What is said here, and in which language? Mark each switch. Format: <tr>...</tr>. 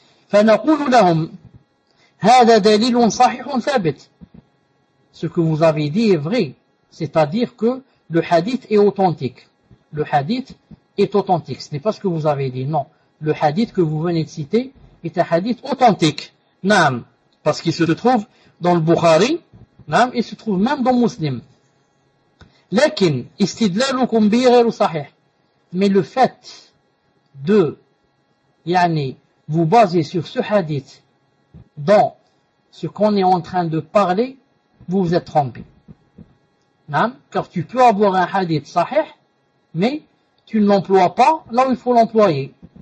<ar>فنقول لهم هذا دليل صحيح ثابت.</ar> <fr>Ce que vous avez dit est vrai. C'est-à-dire que le hadith est authentique. Le hadith est authentique. Ce n'est pas ce que vous avez dit, non. Le hadith que vous venez de citer est un hadith authentique. Naam. Parce qu'il se trouve dans le Bukhari. Naam. Il se trouve même dans le Muslim.</fr> <ar>لكن استدلالكم به غير صحيح.</ar> <fr>Mais le fait de yani, vous baser sur ce hadith dans ce qu'on est en train de parler, vous vous êtes trompé. Non? Car tu peux avoir un hadith sahih, mais tu ne l'emploies pas là où il faut l'employer.</fr>